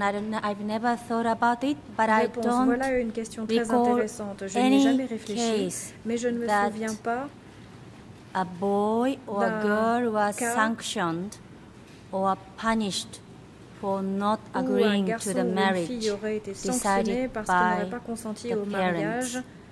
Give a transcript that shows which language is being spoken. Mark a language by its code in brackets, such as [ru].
[en] I don't know, I've never thought about it, but I don't [fr] voilà une question très intéressante. Je n'ai jamais réfléchi, mais je ne me souviens pas. [en] A boy or a girl was sanctioned or punished for not agreeing to the marriage [fr] ou une fille aurait été sanctionnée parce qu'elle n'aurait pas consenti au mariage.